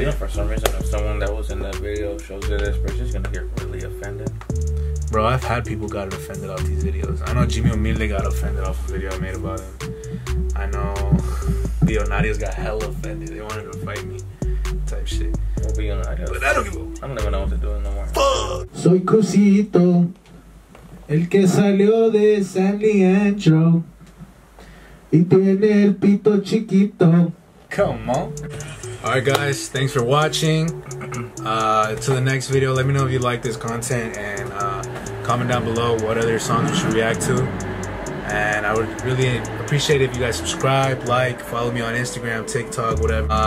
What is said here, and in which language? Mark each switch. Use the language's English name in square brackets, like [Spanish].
[English] You know, for some reason, if someone that was in that video shows you this, person's gonna get really offended. Bro, I've had people got offended off these videos. I know Jimmy Humilde got offended off a video I made about him. I know Leonardo's got hella offended. They wanted to fight me, type shit. We'll be on the idea. But I don't give a... I don't even know what they're doing no more. Fuck! [Spanish] Soy Cruzito, el que salió de San Leandro, y tiene el pito chiquito. [English] Come on. Alright guys, thanks for watching. To the next video, let me know if you like this content and comment down below what other songs you should react to. And I would really appreciate it if you guys subscribe, like, follow me on Instagram, TikTok, whatever.